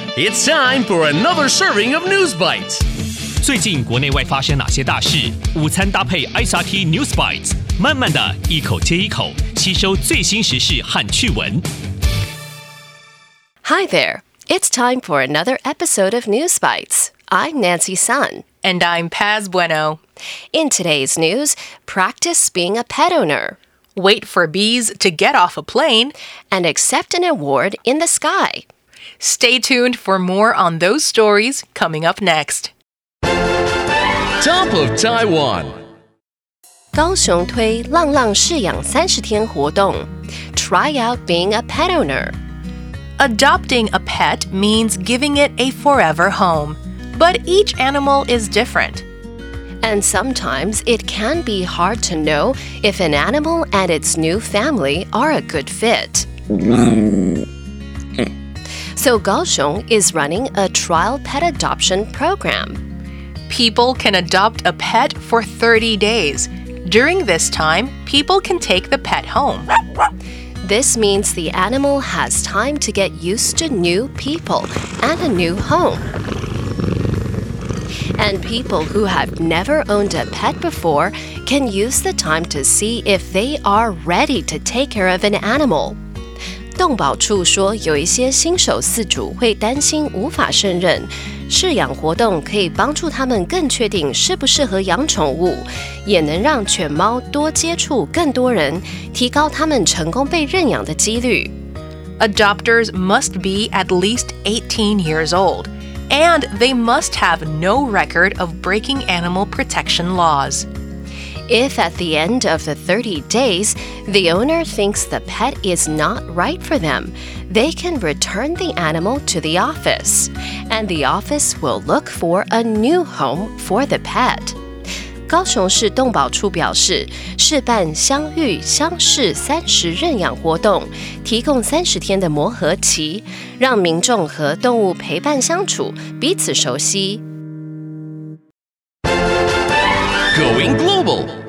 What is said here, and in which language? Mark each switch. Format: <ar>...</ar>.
<en>It's time for another serving of News Bites.</en> <zh>最近国内外发生哪些大事？午餐搭配 SRT News Bites， 慢慢的一口接一口，吸收最新时事和趣闻。</zh> <en>Hi there, it's time for another episode of News Bites. I'm Nancy Sun. And I'm Paz Bueno. In today's news, practice being a pet owner. Wait for bees to get off a plane. And accept an award in the sky. Stay tuned for more on those stories coming up next. Top of Taiwan.</en> <zh>高雄推浪浪试养30天活动。</zh> <en>Try out being a pet owner. Adopting a pet means giving it a forever home, but each animal is different. And sometimes it can be hard to know if an animal and its new family are a good fit. So Kaohsiung is running a trial pet adoption program. People can adopt a pet for 30 days. During this time, people can take the pet home. This means the animal has time to get used to new people and a new home. And people who have never owned a pet before can use the time to see if they are ready to take care of an animal.</en> <zh>动保处说有一些新手饲主会担心无法胜任。试养活动可以帮助他们更确定适不适合养宠物，也能让犬猫多接触更多人，提高他们成功被认养的几率。</zh> <en>Adopters must be at least 18 years old, and they must have no record of breaking animal protection laws. If at the end of the 30 days, the owner thinks the pet is not right for them, they can return the animal to the office. And the office will look for a new home for the pet.</en> <zh>高雄市动保处表示，试办相遇相识30认养活动，提供30天的磨合期，让民众和动物陪伴相处，彼此熟悉。</zh> <en>Going global.</en>